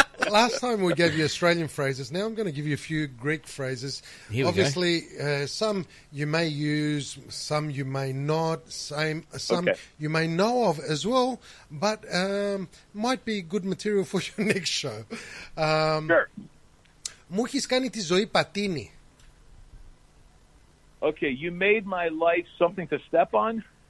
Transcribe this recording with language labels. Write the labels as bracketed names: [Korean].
[English] Last time we gave you Australian phrases. Now I'm going to give you a few Greek phrases. Here we obviously, some you may use, some you may not. You may know of as well, but might be good material for your next show. Sure. [Greek] Μου έχεις κάνει τη ζωή πατίνι. [English] Okay, you made my life something to step on.